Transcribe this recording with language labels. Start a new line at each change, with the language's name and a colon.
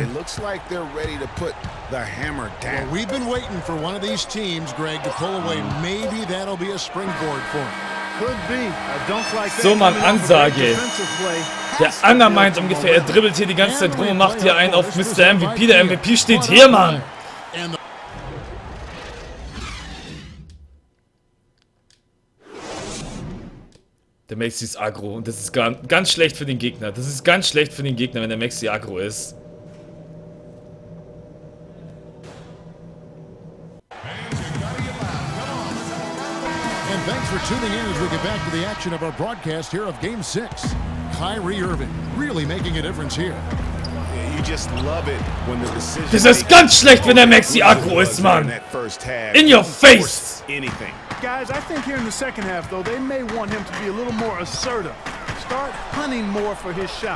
English: It looks like they're ready to put the hammer down. Well, we've been waiting for one of these teams, Greg, to pull away. Maybe that'll be a springboard for him. Could be. I don't like that.
German: So, Mann, Ansage. Der Anger meint ungefähr, er dribbelt hier die ganze Zeit rum und macht hier einen auf Mr. MVP. Der MVP steht hier, Mann. Der Maxi ist aggro und das ist ganz schlecht für den Gegner. Das ist ganz schlecht für den Gegner, wenn der Maxi aggro ist.
English: And thanks for tuning in as we get back to the action of our broadcast here of Game 6. Kyrie Irving really making a difference here. You just love it when the decision.
German: Das ist ganz schlecht, wenn der Maxi aggro ist, Mann.
English: In your face. Anything. Guys, I think here in the second half, though, they may want him to be a little more assertive. Start hunting more for his shot.